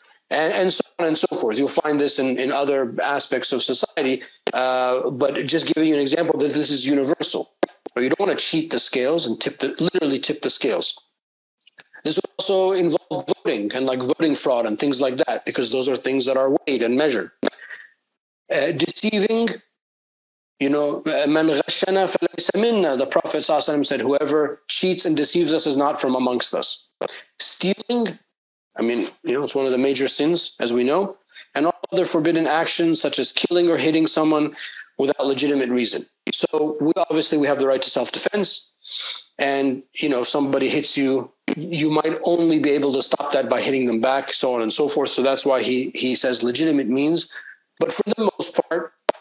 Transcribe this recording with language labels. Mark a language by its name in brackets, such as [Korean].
[English] And so on and so forth. You'll find this in other aspects of society. But just giving you an example that this is universal. You don't want to cheat the scales and tip the scales. This would also involve voting and like voting fraud and things like that, because those are things that are weighed and measured. [Arabic] Deceiving, من غشنا فليس منا. [English] The Prophet ﷺ said, whoever cheats and deceives us is not from amongst us. Stealing, it's one of the major sins, as we know. And all other forbidden actions, such as killing or hitting someone without legitimate reason. So we have the right to self-defense. And, if somebody hits you, you might only be able to stop that by hitting them back, so on and so forth. So that's why he says legitimate means. But for the most part,